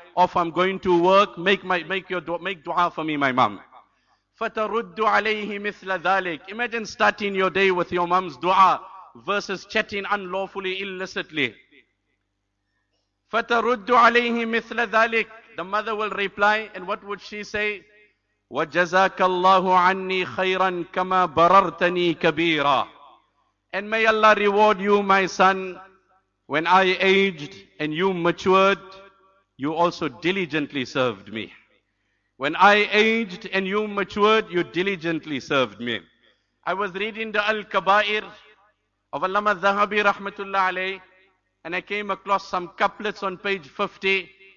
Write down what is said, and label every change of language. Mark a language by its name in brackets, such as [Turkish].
[English] Off I'm going to work. Make dua for me, my mom. [Arabic] فَتَرُدُّ عَلَيْهِ مِثْلَ ذَلِكَ. [English] Imagine starting your day with your mom's dua versus chatting unlawfully, illicitly. [Arabic] فَتَرُدُّ عَلَيْهِ مِثْلَ ذَلِكَ. [English] The mother will reply, and what would she say? [Arabic] وَجَزَاكَ اللَّهُ عَنِّي خَيْرًا كَمَا بَرَرْتَنِي كَبِيرًا. [English] And may Allah reward you, my son, when I aged and you matured, you also diligently served me. When I aged and you matured, you diligently served me. I was reading the Al-Kabair of Allama Zahabi Rahmatullah Alayh, and I came across some couplets on page 50.